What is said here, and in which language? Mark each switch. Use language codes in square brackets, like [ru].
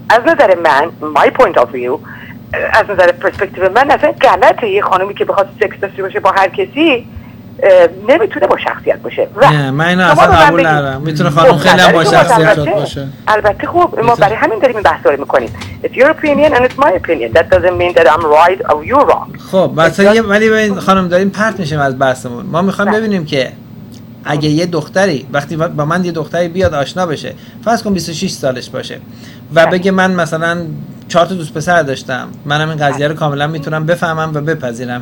[fa] از نظر من، [en] my point of view، [fa] از نظر پرسپکتیو من، اصلا غلطه یه خانمی که بخواد سکس داشته باشه با هر کسی نمیتونه با شخصیت باشه. من اینو اصلا قبول ندارم. میتونه خانم خیلی هم با شخصیت باشه. البته خوب ما برای همین داریم این بحث رو میکنیم. [en] It's your opinion and it's my opinion. That doesn't mean that I'm right or you're wrong. [fa] خب مثلا یه ولی ببین خانم، داریم پرت میشیم از بحثمون. ما میخوام ببینیم که اگه یه دختری وقتی با من یه دختری بیاد آشنا بشه، فرض کن 26 سالش باشه و بگه من مثلا 4 تا دوست پسر داشتم، منم این قضیه رو کاملا میتونم بفهمم و بپذیرم.